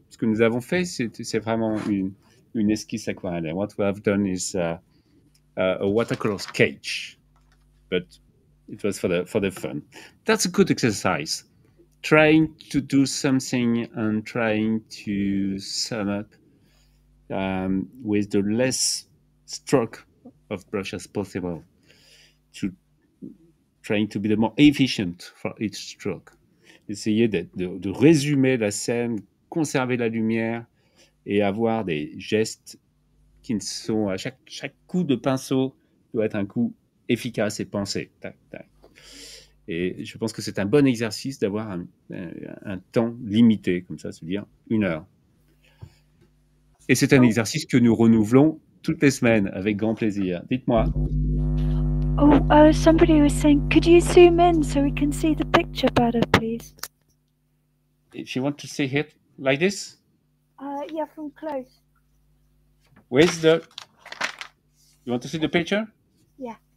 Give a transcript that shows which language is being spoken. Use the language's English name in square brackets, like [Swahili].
[French] Ce que nous avons fait, c'est vraiment une esquisse aquarelle. [English] What we have done is... a watercolor sketch, but it was for the fun. That's a good exercise. Trying to do something and trying to sum up with the less stroke of brush as possible. To trying to be the more efficient for each stroke. [French] Essayer de résumer la scène, conserver la lumière et avoir des gestes qui ne sont à chaque coup de pinceau doit être un coup efficace et pensé. Tac, tac. Et je pense que c'est un bon exercice d'avoir un temps limité, comme ça, c'est-à-dire une heure. Et c'est un exercice que nous renouvelons toutes les semaines avec grand plaisir. Dites-moi. [English] Oh, somebody was saying, could you zoom in so we can see the picture better, please? If you want to see it like this? Yeah, from close. Where's the... You want to see the picture? Yeah.